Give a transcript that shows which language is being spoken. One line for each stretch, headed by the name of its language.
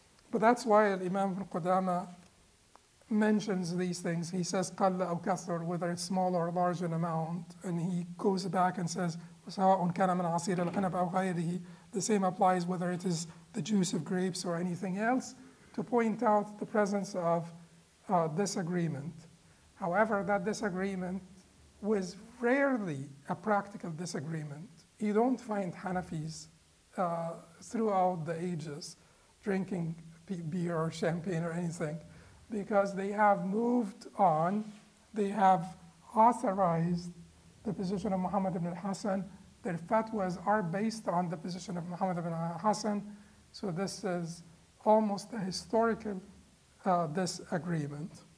English: But that's why Imam ibn Qudamah mentions these things. He says,
Arabic: قَلَّ أَوْ كَثْرُ,
English: whether it's small or large in amount. And he goes back and says,
Arabic: وَسَوَاءٌ كَانَ مِنْ عَصِيرِ الْعِنَبِ أَوْ غَيْرِهِ.
English: The same applies whether it is the juice of grapes or anything else, to point out the presence of disagreement. However, that disagreement was rarely a practical disagreement. You don't find Hanafis throughout the ages drinking beer or champagne or anything, because they have moved on, they have authorized the position of Muhammad ibn al-Hasan, their fatwas are based on the position of Muhammad ibn al-Hasan, so this is almost a historical disagreement.